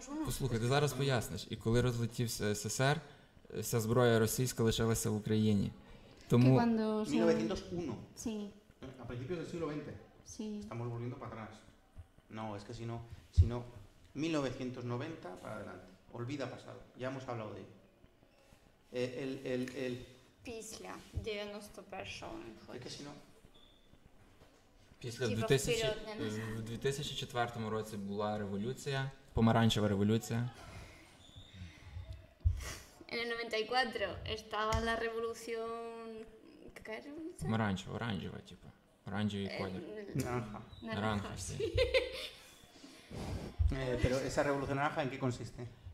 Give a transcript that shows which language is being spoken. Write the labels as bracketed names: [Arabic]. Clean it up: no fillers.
[Ukrainian] послухай, ти зараз поясниш. І коли розлетівся СССР, вся зброя російська лишилася в Україні. Тому... 1901. [Spanish] Sí. A principios del siglo XX. Sí. Estamos volviendo para atrás. No, es que si no, 1990 para adelante. Olvida pasado. Ya hemos hablado de ello. [Ukrainian] Після 91. [Spanish] Es que si no. [Ukrainian] Після 2004 році була революція, помаранчева революція. [Spanish] En el 94 estaba la revolución... ¿Qué era la revolución? Maranjo, oranjeva, tipo. Oranjevi color. Naranja. Naranja, sí. Pero esa revolución naranja, ¿en qué consiste?